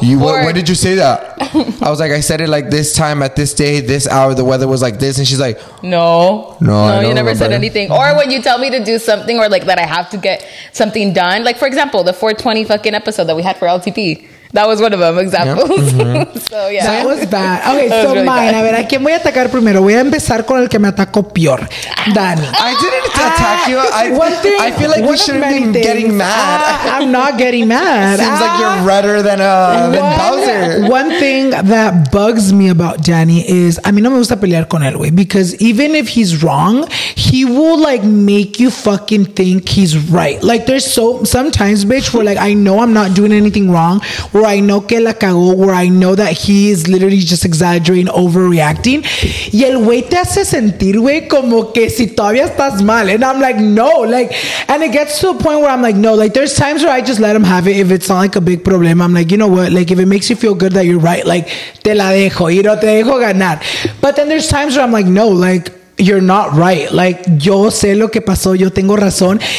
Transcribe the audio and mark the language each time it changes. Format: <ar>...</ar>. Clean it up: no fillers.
<en>When did you say that? I was like, I said it like this time at this day, this hour, the weather was like this. And she's like, No, you never said anything. Or when you tell me to do something or like that I have to get something done. Like, for example, the 420 fucking episode that we had for LTP. That was one of them examples. Yep. So, yeah. That was bad. Okay, was so really mine.</en> <es>Bad. A ver, ¿a quién voy a atacar primero? Voy a empezar con el que me atacó peor. Dani.</es> <en>I didn't attack you. I feel like we shouldn't be getting mad. I'm not getting mad. Seems like you're redder than Bowser. One thing that bugs me about Danny is,</en> <es>a mí no me gusta pelear con él, güey.</es> <en>Because even if he's wrong, he will, like, make you fucking think he's right. Like, there's so... Sometimes, bitch, where, like, I know I'm not doing anything wrong... Where I know</en> <es>que la cagó,</es> <en>where I know that he is literally just exaggerating, overreacting.</en> <es>Y el güey te hace sentir, güey, como que si todavía estás mal.</es> <en>And I'm like, no. Like, and it gets to a point where I'm like, no. Like, there's times where I just let him have it. If it's not like a big problem, I'm like, you know what? Like, if it makes you feel good that you're right, like,</en> <es>te la dejo.</es> <en>You know,</en> <es>te dejo ganar.</es> <en>But then there's times where I'm like, no, like, you're not right. Like,</en> <es>yo sé lo que pasó. Yo tengo razón.</es>